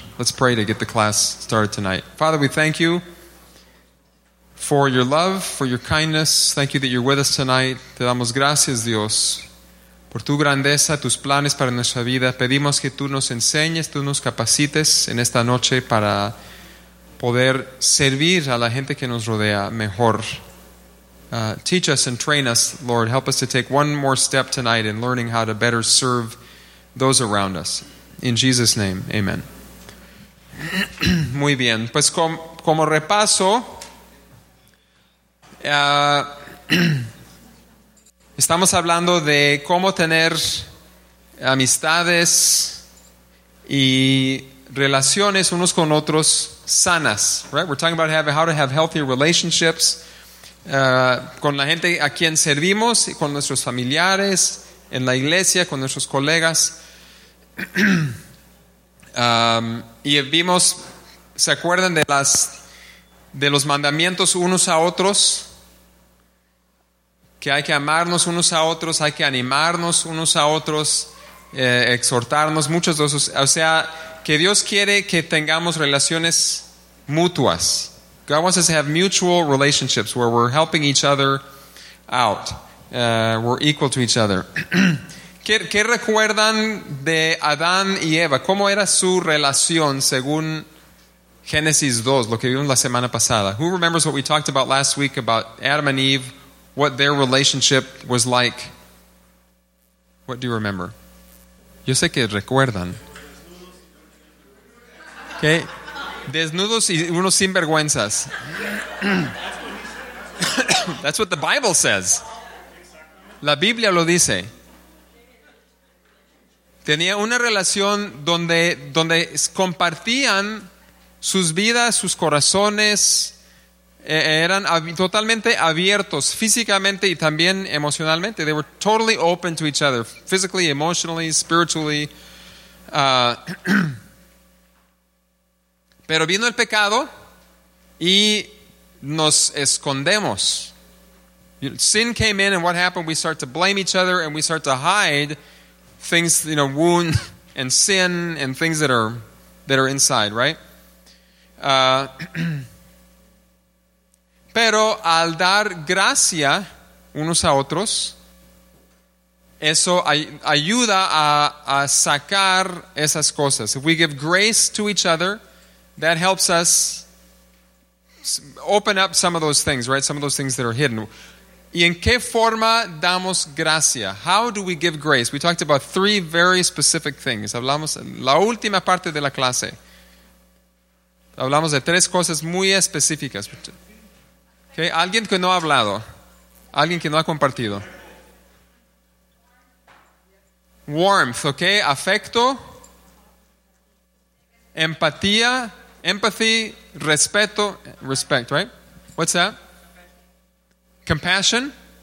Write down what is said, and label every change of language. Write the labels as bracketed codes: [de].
[en] Let's pray to get the class started tonight. Father, we thank you for your love, for your kindness. Thank you that you're with us tonight. [es] Te damos gracias, Dios, por tu grandeza, tus planes para nuestra vida. Pedimos que tú nos enseñes, tú nos capacites en esta noche para poder servir a la gente que nos rodea mejor. [en] Teach us and train us, Lord. Help us to take one more step tonight in learning how to better serve those around us. In Jesus' name, amen. [es] Muy bien. Pues como repaso, estamos hablando de cómo tener amistades y relaciones unos con otros sanas, right? [en] We're talking about how to have healthy relationships [es] con la gente a quien servimos, con nuestros familiares, en la iglesia, con nuestros colegas. Y vimos, ¿se acuerdan de los mandamientos unos a otros? Que hay que amarnos unos a otros, hay que animarnos unos a otros, exhortarnos, muchos de esos. O sea, que Dios quiere que tengamos relaciones mutuas. [en] God wants us to have mutual relationships where we're helping each other out. We're equal to each other. [es] ¿Qué recuerdan de Adán y Eva? ¿Cómo era su relación según Génesis 2, lo que vimos la semana pasada? [en] Who remembers what we talked about last week about Adam and Eve? What their relationship was like. What do you remember? [es] Yo sé que recuerdan. ¿Qué? Desnudos y unos sinvergüenzas. [en] That's what the Bible says. [es] La Biblia lo dice. Tenía una relación donde compartían sus vidas, sus corazones. Eran totalmente abiertos físicamente y también emocionalmente. [en] They were totally open to each other, physically, emotionally, spiritually. [es] Pero vino el pecado y nos escondemos. [en] Sin came in, and what happened? We start to blame each other and we start to hide things, you know, wound and sin and things that are inside, right? [es] Pero al dar gracia unos a otros, eso ayuda a sacar esas cosas. [en] If we give grace to each other, that helps us open up some of those things, right? Some of those things that are hidden. [es] ¿Y en qué forma damos gracia? [en] How do we give grace? We talked about three very specific things. [es] Hablamos en la última parte de la clase. Hablamos de tres cosas muy específicas. [en] Okay. [es] Alguien que no ha hablado, alguien que no ha compartido. [en] Warmth, okay, afecto, empatía, empathy, respeto, respect, right? What's that? Compassion.